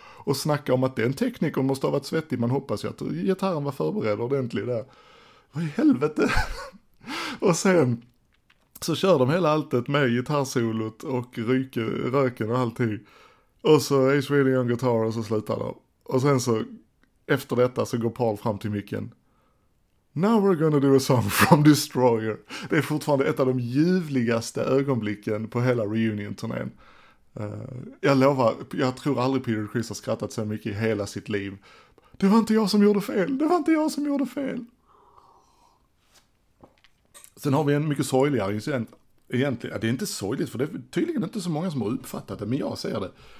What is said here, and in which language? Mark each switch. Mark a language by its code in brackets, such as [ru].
[sv] Och snackar om att den tekniken måste ha varit svettig. Man hoppas ju att gitarren var förberedd ordentligt där. Vad i helvete? Och sen så kör de hela alltet med gitarrsolot och röken och allting. Och så Ace Frehley [en] on guitar [sv] och så slutar de. Och sen så efter detta så går Paul fram till micken. [en] Now we're gonna do a song from Destroyer. [sv] Det är fortfarande ett av de ljuvligaste ögonblicken på hela reunion-turnén. Jag lovar, jag tror aldrig Peter Criss har skrattat så mycket i hela sitt liv. Det var inte jag som gjorde fel, det var inte jag som gjorde fel. Sen har vi en mycket sorgligare incident. Egentligen, det är inte sorgligt för det är tydligen inte så många som har uppfattat det, men jag ser det.